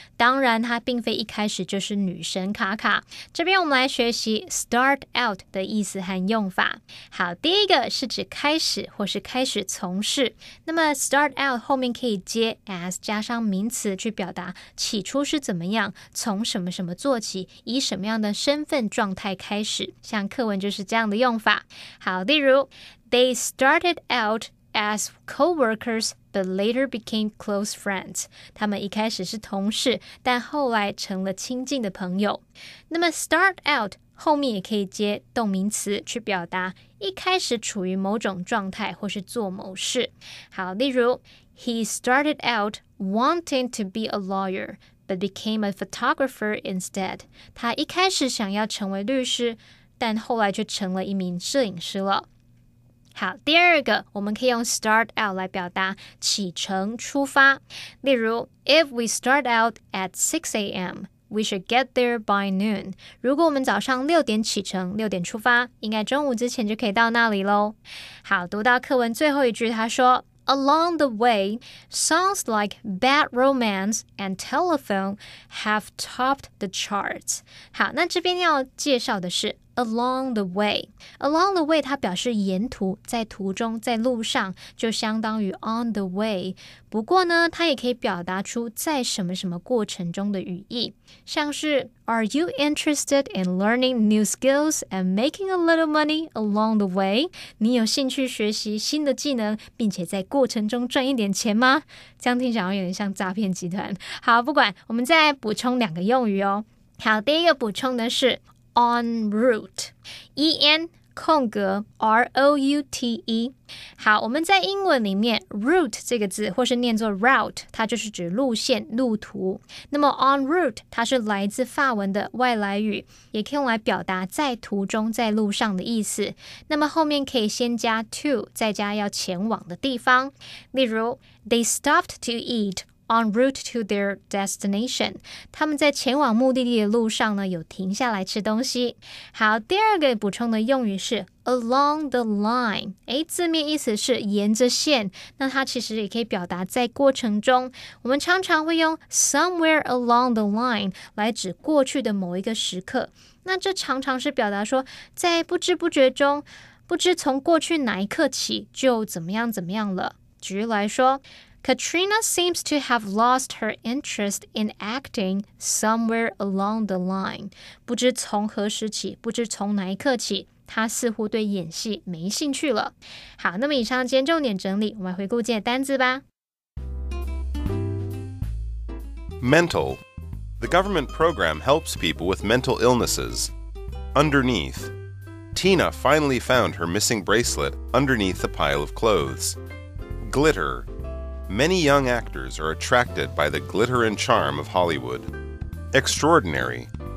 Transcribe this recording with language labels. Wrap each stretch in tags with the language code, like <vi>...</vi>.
<zh>当然她并非一开始就是女神卡卡。这边我们来学习 start out 的意思和用法。好，第一个是指开始或是开始从事。那么 start out 后面可以接 as 加上名词去表达起初是怎么样，从什么什么做起，以什么样的身份状态开始。像课文就是这样的用法。好，例如</zh> <en>They started outas co-workers, but later became close friends.</en> <zh>他们一开始是同事，但后来成了亲近的朋友。那么 start out 后面也可以接动名词去表达一开始处于某种状态或是做某事。好，例如</zh> <en>He started out wanting to be a lawyer, but became a photographer instead.</en> <zh>他一开始想要成为律师，但后来却成了一名摄影师了。好，第二个我们可以用 start out 来表达启程、出发。例如</zh> <en>,if we start out at 6 a.m, we should get there by noon.</en> <zh>如果我们早上6点启程、6点出发，应该中午之前就可以到那里咯。好，读到课文最后一句，他说</zh> <en>,along the way, songs like Bad Romance and Telephone have topped the charts.</en> <zh>好，那这边要介绍的是</zh> <en>Along the way. Along the way</en> <zh>它表示沿途，在途中，在路上，就相当于</zh> <en>on the way.</en> <zh>不过呢，它也可以表达出在什么什么过程中的语义。像是</zh> <en>Are you interested in learning new skills and making a little money along the way?</en> <zh>你有兴趣学习新的技能，并且在过程中赚一点钱吗？这样听起来有点像诈骗集团。好，不管，我们再补充两个用语哦。好，第一个补充的是En route, E-N 空格 R-O-U-T-E。好，我们在英文里面 route 这个字或是念作 route， 它就是指路线、路途。那么 en route 它是来自法文的外来语，也可以用来表达在途中、在路上的意思。那么后面可以先加 to， 再加要前往的地方。例如</zh> <en>They stopped to eatEn route to their destination.</en> <zh>他们在前往目的地的路上呢，有停下来吃东西。好，第二个补充的用语是</zh> <en>along the line.</en> <zh>诶，字面意思是沿着线，那它其实也可以表达在过程中。我们常常会用</zh> <en>somewhere along the line</en> <zh>来指过去的某一个时刻。那这常常是表达说在不知不觉中，不知从过去哪一刻起就怎么样怎么样了。举例来说，</zh> <en>Katrina seems to have lost her interest in acting somewhere along the line.</en> <zh>不知从何时起，不知从哪一刻起，她似乎对演戏没兴趣了。好，那么以上今天重点整理，我们来回顾今天的单字吧。</zh> <en>Mental. The government program helps people with mental illnesses. Underneath. Tina finally found her missing bracelet underneath the pile of clothes. Glitter. Many young actors are attracted by the glitter and charm of Hollywood. Extraordinary.</en>